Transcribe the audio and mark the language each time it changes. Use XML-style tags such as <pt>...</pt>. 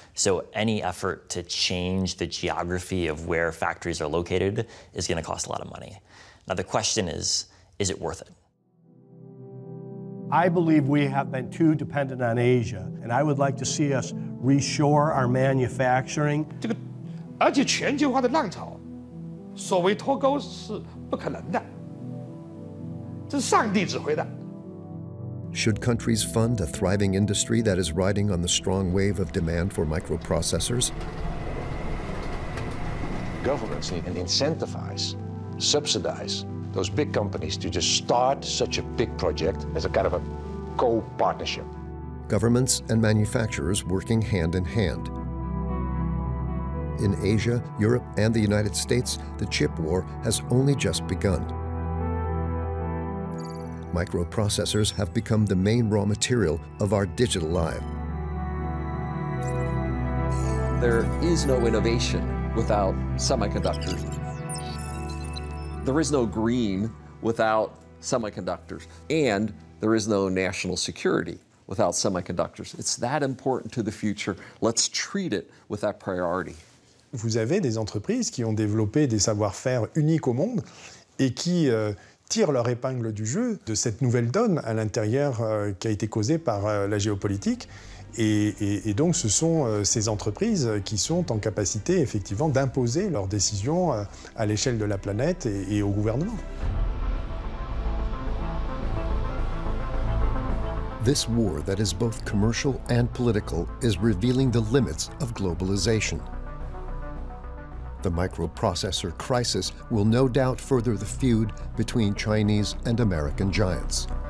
<en>So any effort to change the geography of where factories are located is going to cost a lot of money. Now the question is it worth it? I believe we have been too dependent on Asia, and I would like to see us reshore our manufacturing.</en> <zh>这个，而且全球化的浪潮，所谓脱钩是不可能的，这是上帝指挥的。</zh> <en>Should countries fund a thriving industry that is riding on the strong wave of demand for microprocessors? Governments need to subsidize those big companies to just start such a big project as a kind of a co-partnership. Governments and manufacturers working hand in hand. In Asia, Europe, and the United States, the chip war has only just begun. Microprocessors have become the main raw material of our digital life. There is no innovation without semiconductors. There is no green without semiconductors. And there is no national security without semiconductors. It's that important to the future. Let's treat it with that priority.</en> <fr>Vous avez des entreprises qui ont développé des savoir-faire uniques au monde et qui tirent leur épingle du jeu de cette nouvelle donne à l'intérieur qui a été causée par la géopolitique. Et donc, ce sont ces entreprises qui sont en capacité, effectivement, d'imposer leurs décisions à l'échelle de la planète et au gouvernement.</fr> <en>This war that is both commercial and political is revealing the limits of globalization. The microprocessor crisis will no doubt further the feud between Chinese and American giants.</en>